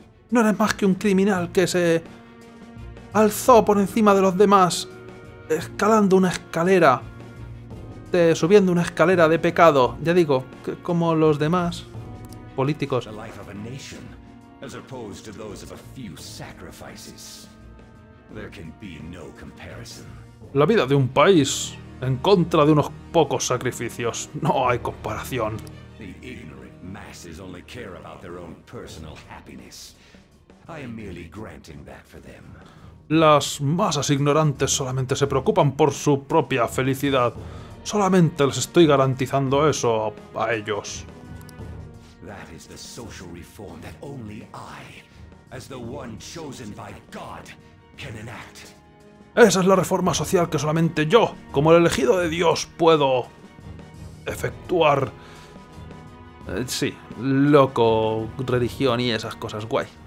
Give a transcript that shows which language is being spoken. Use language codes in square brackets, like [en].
[es] No eres más que un criminal que se alzó por encima de los demás escalando una escalera, subiendo una escalera de pecado, ya digo, que como los demás políticos. La vida de una nación, [en] as opposed to those of a few sacrifices, there can be no comparison. [es] La vida de un país en contra de unos pocos sacrificios, no hay comparación. [en] Masses only care about their own personal happiness. I am merely granting that for them. [es] Las masas ignorantes solamente se preocupan por su propia felicidad. Solamente les estoy garantizando eso a ellos. [en] That is the social reform that only I, as the one chosen by God, can enact. [es] Esa es la reforma social que solamente yo, como el elegido de Dios, puedo efectuar. Sí, loco, religión y esas cosas, guay.